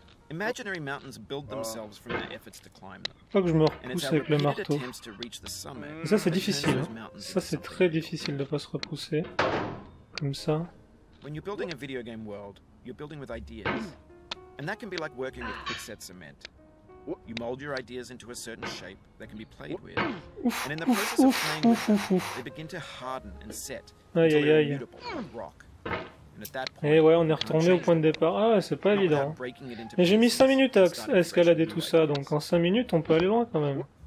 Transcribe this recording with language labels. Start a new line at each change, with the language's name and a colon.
English: Imaginary mountains build themselves from their efforts to climb them.
French: Faut que je me repousse avec le marteau. Et ça c'est difficile. Hein. Ça c'est très difficile de pas se repousser comme ça.
English: When you're building a video game world, you're building with ideas. And that can be like working with quick-set cement. You mold your ideas into a certain shape that can be played with. And in the process of playing with them, they begin to harden and set aïe, until they're aïe, aïe. Immutable, like rock. And
French: Et ouais, on est retourné au point de départ. Ah, c'est pas évident. Mais j'ai mis 5 minutes à escalader tout ça, donc en 5 minutes, on peut aller loin quand même.